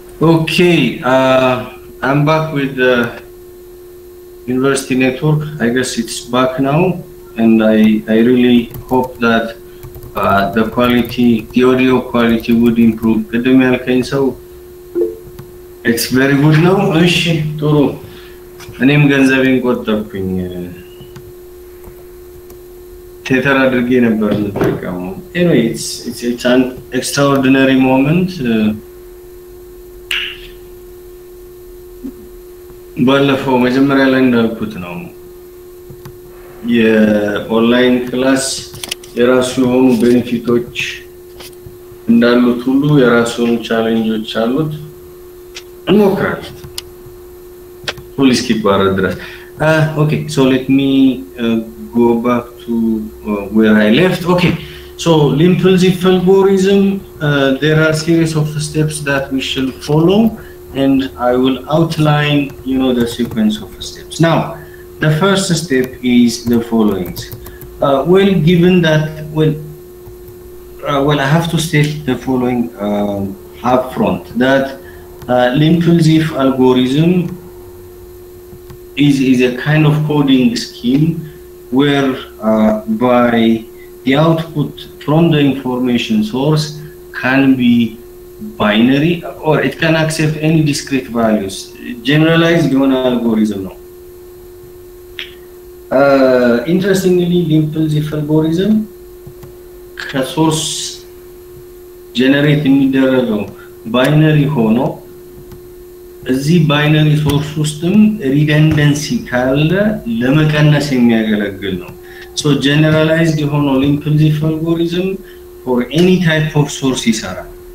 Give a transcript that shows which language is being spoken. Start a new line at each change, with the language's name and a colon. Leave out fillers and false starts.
English: Okay, I'm back with the university network. I guess it's back now, and I really hope that the quality, the audio quality would improve.
Amharic: ቅድም ያልከኝ ሰው
English: it's very good now.
Amharic: እሺ ጥሩ። እኔም ገንዘቤን ቆጠብኩኝ። ቴተር አድርጌ ነበር ልጠቀመው።
English: Anyway, it's an extraordinary moment.
Amharic: ባለፈው መጀመሪያ ላይ እንዳልኩት ነው የኦንላይን ክላስ የራሱ የሆኑ ቤኔፊቶች እንዳሉት ሁሉ የራሱ የሆኑ ቻሌንጆች አሉት። እንሞክራለን ሁሉ እስኪባረር ድረስ።
English: ኦኬ ሶ ሌት ሚ go back to where I left. Okay, so limp impulsive algorithm, there are series of steps that we shall follow, and I will outline, you know, the sequence of steps. Now, the first step is the following. Well, given that, well, I have to state the following upfront, that limp-impulsive algorithm is a kind of coding scheme where by the output from the information source can be binary, or it can accept any discrete values, generalized given algorithm. Interestingly, limp-impulsive algorithm source generate
Amharic: የሚደረገው ባይነሪ ሆኖ እዚህ ባይነሪ ሶርስ ውስጥም ሪደንደንሲ ካለ ለመቀነስ የሚያገለግል ነው።
English: ሶ ጀነራላይዝድ
Amharic: ሆኖ
English: ኢምፕሊሲት አልጎሪዝም ፎር ኤኒ ታይፕ ኦፍ ሶርስ
Amharic: ይሰራል።